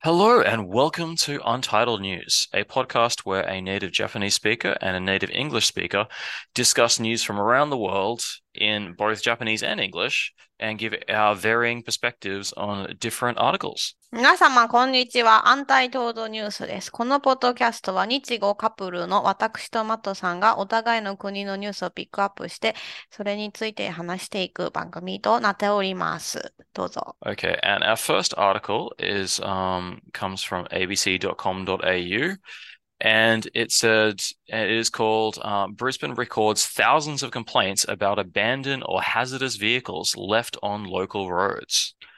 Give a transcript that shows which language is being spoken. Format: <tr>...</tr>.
<en>Hello and welcome to Untitled News, a podcast where a native Japanese speaker and a native English speaker discuss news from around the world in both Japanese and English and give our varying perspectives on different articles.</en> <ja>皆様、こんにちは。アンタイトードニュースです。このポッドキャストは、日豪カップルの私とマットさんが、お互いの国のニュースをピックアップして、それについて話していく番組となっております。どうぞ。</ja> <en>Okay, and our first article is comes from abc.com.au, and it said it is called Brisbane records thousands of complaints about abandoned or hazardous vehicles left on local roads.</en>